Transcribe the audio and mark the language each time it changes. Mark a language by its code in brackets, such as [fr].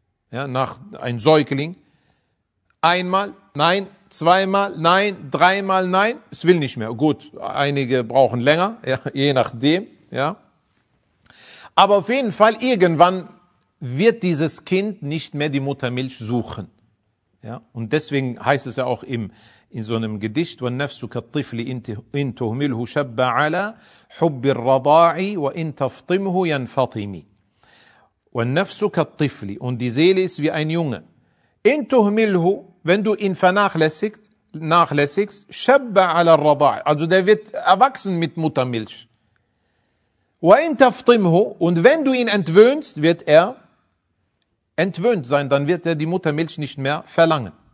[de] Ja, nach ein Säugling. Einmal? Nein. Zweimal? Nein. Dreimal? Nein. Es will nicht mehr. Gut, einige brauchen länger, ja, je nachdem. Ja. Aber auf jeden Fall, irgendwann wird dieses Kind nicht mehr die Muttermilch suchen. Ja. Und deswegen heißt es ja auch in so einem Gedicht, [ar] وَنَّفْسُكَ الطِّفْلِ إِنْ تُهْمِلْهُ شَبَّ عَلَى حُبِّ الرَّضَاعِ وَإِنْ تَفْطِمْهُ يَنْفَطِمِ وَنَّفْسُكَ الطِّفْلِ. [de] Und die Seele ist wie ein Junge. [ar] إِنْ تُهْمِلْهُ, [de] wenn du ihn vernachlässigst, [ar] شَبَّ عَلَى الرَّضَاعِ, [de] also der wird erwachsen mit Muttermilch. Und wenn du ihn entwöhnst, wird er entwöhnt sein, dann wird er die Muttermilch nicht mehr verlangen.